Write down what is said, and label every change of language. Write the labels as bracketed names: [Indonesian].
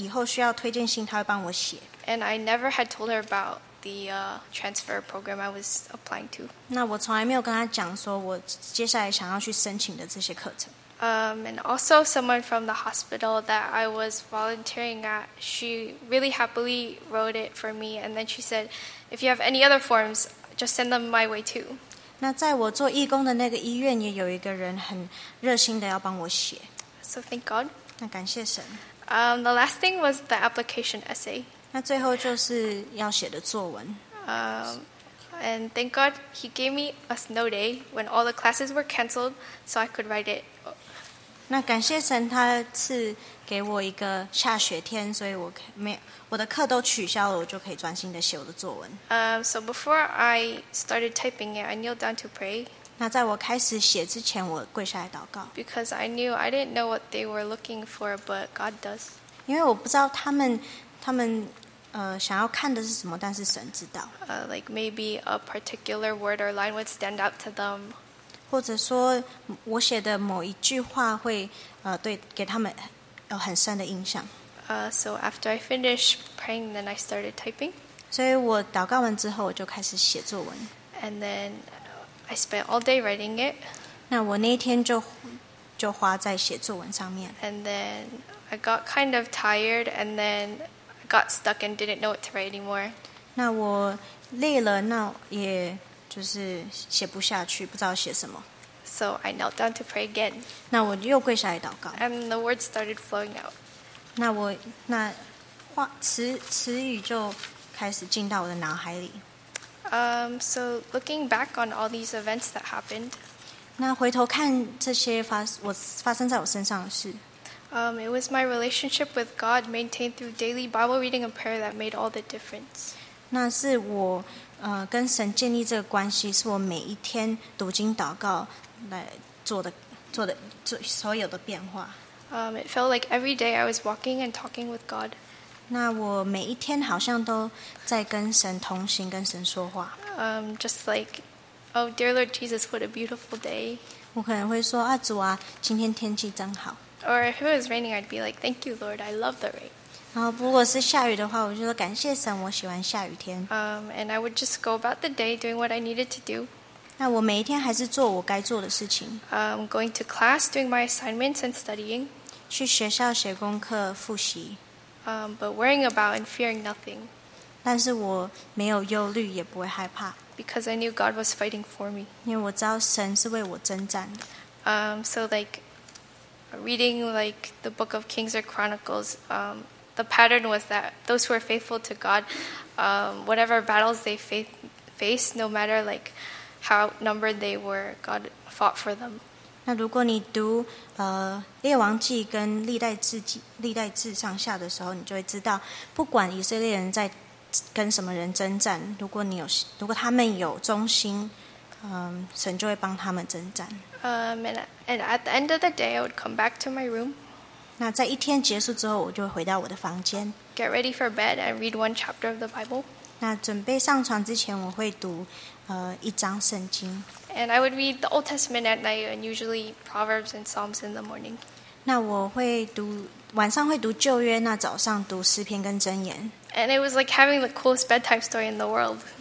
[Chinese] 寄一个电子邮件给我说，如果我以后需要推荐信，他会帮我写。And [English] I never had told her about the transfer program I was applying to. [Chinese] 那我从来没有跟他讲说我接下来想要去申请的这些课程。 [English] And also someone from the hospital that I was volunteering at, she really happily wrote it for me, and then she said, if you have any other forms, just send them my way too. [Chinese] 那在我做义工的那个医院也有一个人很热心的要帮我写。 [English] So thank God. [Chinese] 那感谢神。 [English] The last thing was the application essay. [Chinese] 那最后就是要写的作文。 [English] And thank God he gave me a snow day when all the classes were canceled so I could write it. [Chinese] 那感谢神他赐给我一个下雪天，所以我没我的课都取消了，我就可以专心的写我的作文。 [English] So before I started typing it, I kneeled down to pray. [Chinese] 那在我开始写之前，我跪下来祷告。 [English] Because I knew I didn't know what they were looking for, but God does. [Chinese] 因为我不知道他们想要看的是什么，但是神知道。 [English] Like maybe a particular word or line would stand out to them. [Chinese] 或者说我写的某一句话会对给他们有很深的印象。 [English] So after I finished praying, then I started typing. [Chinese] 所以我祷告完之后，我就开始写作文。 [English] And then I spent all day writing it. [Chinese] 那我那一天就花在写作文上面。 [English] And then I got kind of tired, and then I got stuck and didn't know what to write anymore. [Chinese] 那我累了，那也就是写不下去，不知道写什么。 [English] So I knelt down to pray again. [Chinese] 那我又跪下来祷告。 [English] And the words started flowing out. [Chinese] 那我那话词词语就开始进到我的脑海里。 [English] So looking back on all these events that happened. [Chinese] 那回头看这些发生在我身上的事。 [English] It was my relationship with God maintained through daily Bible reading and prayer that made all the difference. [Chinese] 那是我跟神建立这个关系，是我每一天读经祷告来做所有的变化。 [English] It felt like every day I was walking and talking with God. [Chinese] 那我每一天好像都在跟神同行，跟神说话。 [English] Just like, oh dear Lord Jesus, what a beautiful day. [Chinese] 我可能会说啊，主啊，今天天气真好。 [English] Or if it was raining, I'd be like, thank you, Lord, I love the rain. [Chinese] 然后如果是下雨的话，我就说感谢神，我喜欢下雨天。 [English] And I would just go about the day doing what I needed to do. [Chinese] 那我每一天还是做我该做的事情。 [English] Going to class, doing my assignments and studying. [Chinese] 去学校写功课复习。 [English] But worrying about and fearing nothing. [Chinese] 但是我没有忧虑，也不会害怕。 [English] Because I knew God was fighting for me. [Chinese] 因为我知道神是为我征战的。 [English] So like reading like the book of Kings or Chronicles. The pattern was that those who are faithful to God, whatever battles they faced, no matter like how outnumbered they were, God fought for them. [Chinese] 那如果你读列王记跟历代志上下的时候，你就会知道，不管以色列人在跟什么人征战，如果他们有忠心，神就会帮他们征战。 [English] And at the end of the day, I would come back to my room. [Chinese] 那在一天结束之后，我就会回到我的房间。 [English] Get ready for bed and read one chapter of the Bible. [Chinese] 那准备上床之前，我会读一章圣经。 [English] And I would read the Old Testament at night and usually Proverbs and Psalms in the morning. [Chinese] 那我会读晚上会读旧约，那早上读诗篇跟箴言。 [English] And it was like having the coolest bedtime story in the world.